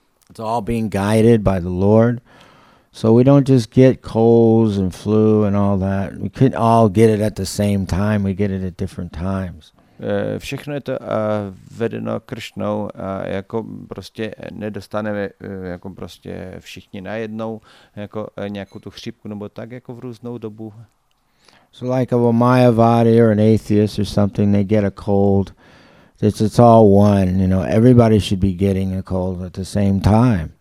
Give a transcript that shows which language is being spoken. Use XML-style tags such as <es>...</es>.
<en>It's all being guided by the Lord. So we don't just get colds and flu and all that. We can all get it at the same time. We get it at different times.</en> <cs>Všechno je to vedeno Kršnou, jako prostě nedostaneme jako prostě všichni najednou jako nějakou tu chřipku nebo tak jako v různou dobu.</cs> <en>So like a Mayavadi or an atheist or something, they get a cold. It's all one, you know. Everybody should be getting a cold at the same time.</en>